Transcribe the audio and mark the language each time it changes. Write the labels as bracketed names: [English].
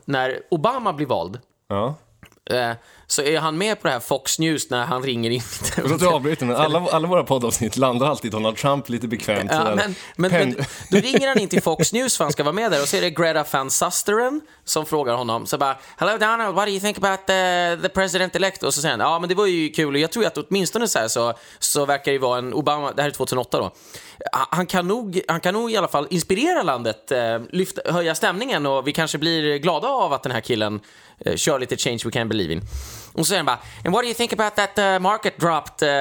[Swedish] När Obama blir vald. Ja. Så är han med på det här Fox News när han ringer in. Jag tror du avbryter, men alla våra poddavsnitt landar alltid Donald Trump lite bekvämt. Ja, men då ringer han in till Fox News för han ska vara med där, och så är det Greta Van Susteren som frågar honom. Så bara, [English] hello Donald, what do you think about the president-elect? [Swedish] Och så säger han, ja, men det var ju kul. Och jag tror att åtminstone så här så verkar det vara en Obama, det här är 2008 då. Han kan nog i alla fall inspirera landet, höja stämningen, och vi kanske blir glada av att den här killen kör lite [English] change we can believe in. [Swedish] Och så säger han bara, [English] and what do you think about that market dropped?